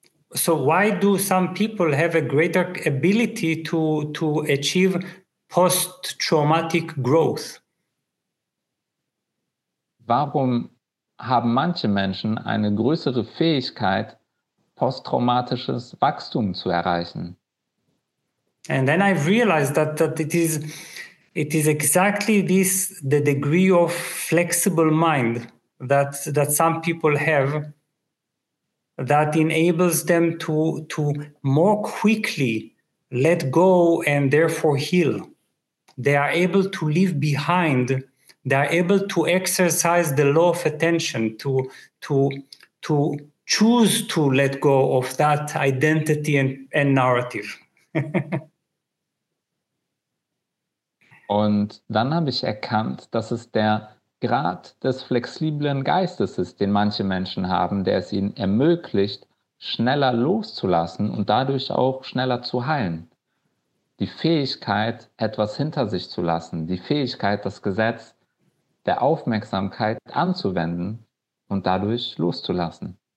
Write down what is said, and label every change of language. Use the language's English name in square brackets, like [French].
[English] So why do some people have a greater ability to achieve post-traumatic growth? [German] Warum haben manche Menschen eine größere Fähigkeit, posttraumatisches Wachstum zu erreichen? [English] And then I've realized that it is exactly this, the degree of flexible mind that some people have, that enables them to more quickly let go and therefore heal. They are able to leave behind, they are able to exercise the law of attention, to choose to let go of that identity and narrative. [German] Und dann habe ich erkannt, dass es der Grad des flexiblen Geistes ist, den manche Menschen haben, der es ihnen ermöglicht, schneller loszulassen und dadurch auch schneller zu heilen. Die Fähigkeit, etwas hinter sich zu lassen, die Fähigkeit, das Gesetz der Aufmerksamkeit anzuwenden und dadurch loszulassen.